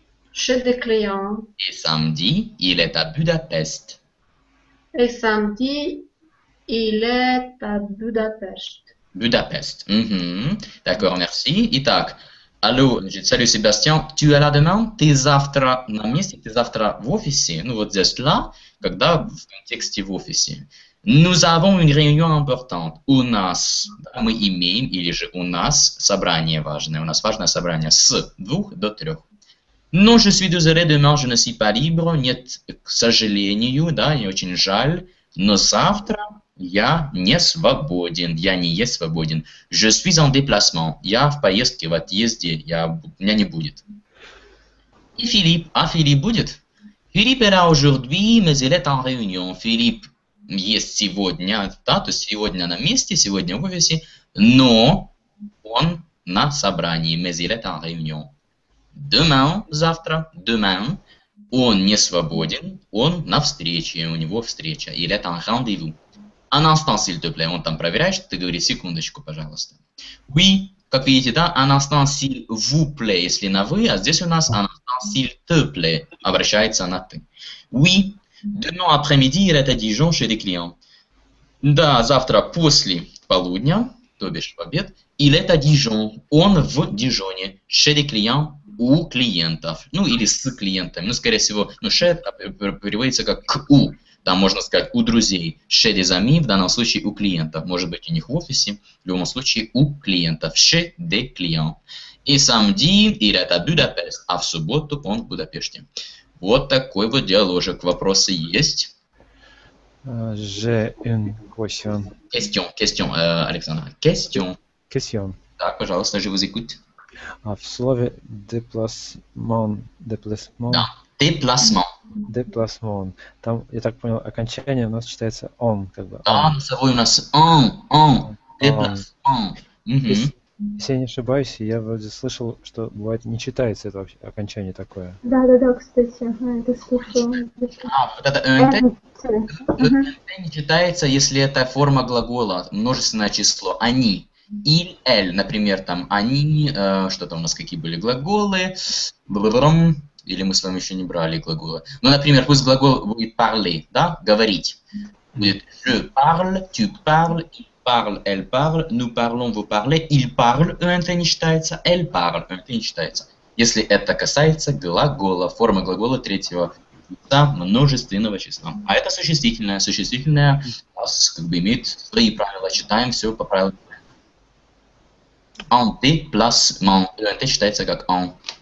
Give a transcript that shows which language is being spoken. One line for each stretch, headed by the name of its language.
French: Chez des clients. Et samedi, il est à Budapest. Et samedi, il est à Budapest. Budapest. D'accord, merci. Итак, allô, salut Sébastien. Tu es là demain?
Russian: Ты завтра на месте? Ты завтра в офисе? Ну вот здесь là, когда в контексте в офисе.
French: Nous avons une réunion importante.
Russian: У нас, да, мы имеем, или же у нас собрание важное. У нас важное собрание с двух до трех.
French: Non, je suis désolé, demain je ne suis pas libre.
Russian: Нет, к сожалению, да, мне очень жаль. Но завтра я не свободен. Я не есть свободен.
French: Je suis en déplacement.
Russian: Я в поездке, в отъезде. Меня не будет. И Филипп. А Филипп будет?
French: Филипп est là aujourd'hui, mais il est en réunion.
Russian: Филипп. Есть сегодня, да, то есть сегодня на месте, сегодня в офисе, но он на собрании,
French: mais il est en réunion.
Russian: Demain, завтра, demain, он не свободен, он на встрече, у него встреча,
French: il est en rendez-vous. Un instant, s'il te plaît,
Russian: он там проверяет, ты говоришь, секундочку, пожалуйста. Oui, как видите, да,
French: un instant, s'il vous plaît,
Russian: если на вы, а здесь у нас
French: un instant, s'il te plaît,
Russian: обращается на ты.
French: Oui. Demain après-midi, il est à Dijon chez des clients.
Russian: Да, завтра после полудня, то бишь в обед,
French: il est à Dijon,
Russian: он в Дижоне,
French: chez des clients,
Russian: у клиентов. Ну, или с клиентами. Ну, скорее всего, ну, chez переводится как к у. Там можно сказать у друзей.
French: Chez des amis,
Russian: в данном случае у клиентов. Может быть, у них в офисе. В любом случае, у клиентов.
French: Chez des clients. И samedi, il est à Budapest.
Russian: А в субботу он в Будапеште. Вот такой вот диалогик. Вопросы есть?
French: J'ai une question. Question, question, Александр. Question. Question.
Russian: Так, пожалуйста,
French: je vous écoute.
Russian: А в слове déplacement, déplacement. Да, déplacement.
French: Déplacement.
Russian: Там, я так понял, окончание у нас читается on, как бы. Да, носовой у нас on, on, déplacement. Угу. Если я не ошибаюсь, я вроде слышал, что бывает не читается это вообще окончание такое. Да, да, да, кстати, это слышал. А, вот это on. Uh-huh. Не читается, если это форма глагола, множественное число. Они. Иль, эль. Например, там они. Что там у нас какие были глаголы? Бл-бл-бл-бл-бл. Или мы с вами еще не брали глаголы. Ну, например, пусть глагол будет parler, да? Говорить.
French: Будет je parle, tu parles, il parle, elle parle, nous parlons, vous parlez, il parle, ent
Russian: не читается,
French: elle parle, ent не читается.
Russian: Если это касается глагола, формы глагола третьего да, множественного числа. А это существительное. Существительное как бы имеет свои правила. Читаем все по правилам.
French: En déplacement.
Russian: Это считается как en.